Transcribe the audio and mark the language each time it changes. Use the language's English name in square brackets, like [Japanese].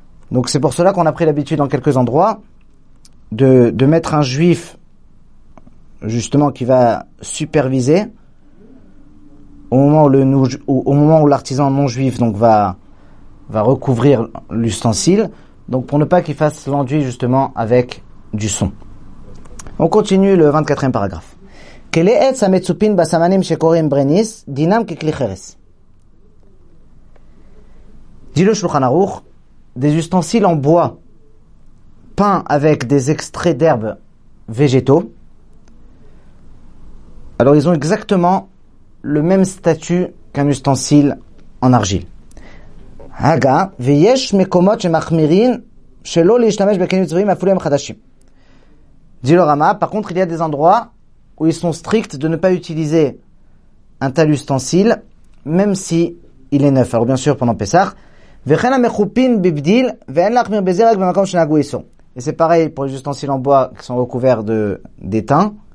[French] Donc c'est pour cela qu'on a pris l'habitude dans quelques endroits de mettre un juif justement qui va superviser au moment où l'artisan non juif donc va recouvrir l'ustensile, donc pour ne pas qu'il fasse l'enduit justement avec du son. On continue le 24e paragraphe. [Hebrew] כלי עץ המצופין בסמנים שקוראים ברניס, דינם ככלי חרס. [French] Dit le Shulchan Aruch, des ustensiles en bois peints avec des extraits d'herbes végétaux, alors ils ont exactement le même statut qu'un ustensile en argile. [Hebrew] Haga, ויש מקומות שמחמירים שלא להשתמש בכלים צבועים אפילו הם חדשים. [French] Dit le Rama, par contre, il y a des endroits où ils sont stricts de ne pas utiliser un tel ustensile, même si il est neuf. Alors bien sûr, pendant Pessah. Et c'est pareil pour les ustensiles en bois qui sont recouverts d'étain.